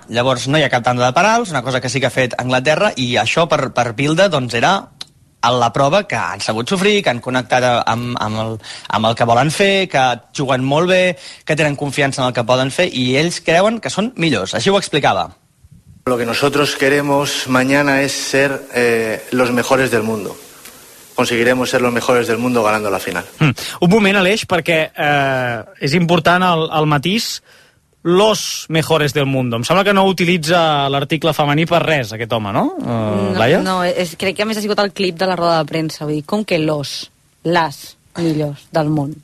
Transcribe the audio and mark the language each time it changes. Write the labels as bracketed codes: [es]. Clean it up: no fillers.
[ca] Llavors no hi ha cap tanda de penals, una cosa que sí que ha fet Anglaterra i això per Vilda doncs era la prova que han sabut sofrir, que han connectat amb el que volen fer, que juguen molt bé, que tenen confiança en el que poden fer i ells creuen que són millors. Així ho explicava. [es] Lo que nosotros queremos mañana es ser los mejores del mundo. Conseguiremos ser los mejores del mundo ganando la final. [ca] Un moment, Aleix, perquè és important el matís, [es] los mejores del mundo. [ca] Em sembla que no utilitza l'article femení per res, aquest home, no, Laia? No, crec que a més ha sigut el clip de la roda de premsa. Vull dir, com que les millors del món.